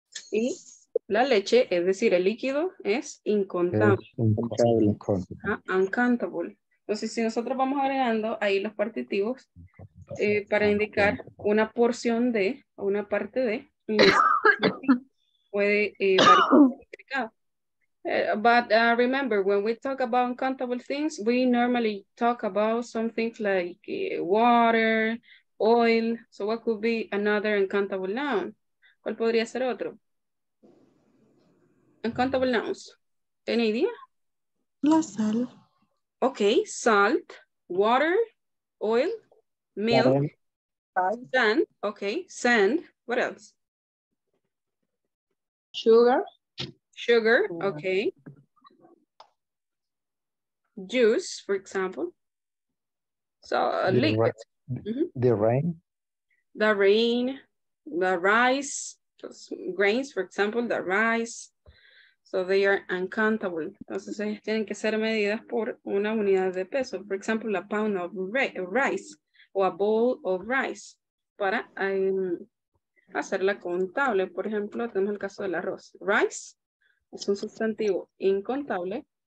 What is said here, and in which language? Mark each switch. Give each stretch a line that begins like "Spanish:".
Spanish: Y la leche, es decir, el líquido, es incontable. Uncountable. Entonces, si nosotros vamos agregando ahí los partitivos para indicar una porción de, o una parte de, puede variar.
English: But remember, when we talk about uncountable things, we normally talk about something like water, oil. So what could be another uncountable noun?
Spanish: ¿Cuál podría ser otro?
English: Uncountable nouns. Any idea?
Spanish: La sal.
English: Okay, salt, water, oil, milk, sand. Okay, sand. What else? Sugar. Sugar, okay. Juice, for example. So liquid. The rain. The rain, the rice, those grains, for example, the rice. So they are uncountable.
Spanish: Entonces ellos tienen que ser medidas por una unidad de peso.
English: For example, a pound of rice or a bowl of rice.
Spanish: Para hacerla contable. Por ejemplo, tenemos el caso del arroz. Rice. Es un sustantivo incontable.